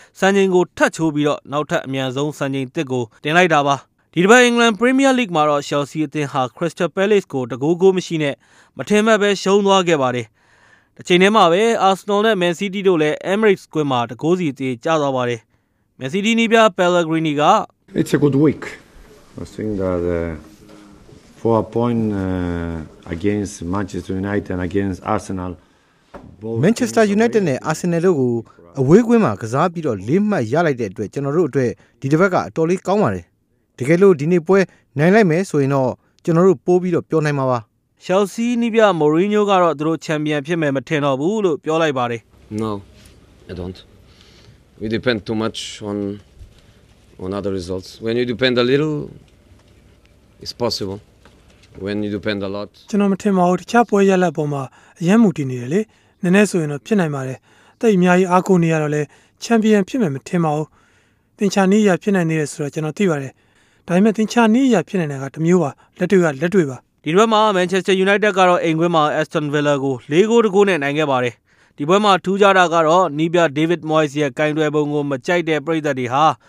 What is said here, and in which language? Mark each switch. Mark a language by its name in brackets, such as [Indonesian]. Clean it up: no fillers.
[Burmese] စံချိန်ကိုထပ်ချိုးပြီးတော့နောက်ထပ်အမြန်ဆုံးစံချိန်တစ်ကိုတင်လိုက်တာပါ။ဒီတစ်ပတ် England Premier League မှာတော့ Chelsea အသင်းဟာ Crystal Palace ကိုတကူးကူးမရှိနဲ့မထင်မှတ်ပဲရှုံးသွားခဲ့ပါတယ်။ တချိန်ထဲမှာပဲအာစနယ်နဲ့မန်စီးတီးတို့လည်းအမရိတ်စ်ကွင်းမှာတကိုးစီအသေးကျသွားပါတယ်မန်စီးတီးနီးပြားပယ်လဂရီနီက [English] It's a good week I think that four points against Manchester United and against Arsenal [Burmese] Manchester United နဲ့ Arsenal တို့ကိုအဝေးကွင်းမှာကစားပြီးတော့လေးမှတ်ရလိုက်တဲ့အတွက်ကျွန်တော်တို့အတွက်ဒီတစ်ဘက်ကအတော်လေးကောင်းပါတယ်တကယ်လို့ဒီနေ့ပွဲနိုင်လိုက်မယ်ဆိုရင်တော့ကျွန်တော်တို့ပိုးပြီးတော့ပြောနိုင်မှာပါ Chelsea နီးပြား Mourinho ကတော့သူတို့ချန်ပီယံဖြစ်မယ်မထင်တော့ဘူးလို့ပြောလိုက်ပါတယ် [English] No I don't We depend too much on other results when you depend a little it's possible when you depend a lot [Burmese] ကျွန်တော်မထင်ပါဘူးတခြားပွဲရလက်ပေါ်မှာအရင်မူတည်နေတယ်လေနည်းနည်းဆိုရင်တော့ဖြစ်နိုင်ပါတယ်တိတ်အများကြီးအားကိုးနေရတော့လဲချန်ပီယံဖြစ်မယ်မထင်ပါဘူးသင်္ချာနည်းရဖြစ်နိုင်နေတယ်ဆိုတော့ကျွန်တော်သိပါတယ်ဒါပေမဲ့သင်္ချာနည်းရဖြစ်နိုင်တာကတမျိုးပါလက်တွေကလက်တွေပါဒီဘက်မှာ Manchester United ကတော့အိမ်ကွင်းမှာ Aston Villa ကို 4-2 နဲ့နိုင်ခဲ့ပါတယ်ဒီဘွဲမှာထူးခြားတာကတော့နီးပြ David Moyes ရဲ့ကင်တွယ်ပုံကိုမကြိုက်တဲ့ပရိသတ်တွေဟာ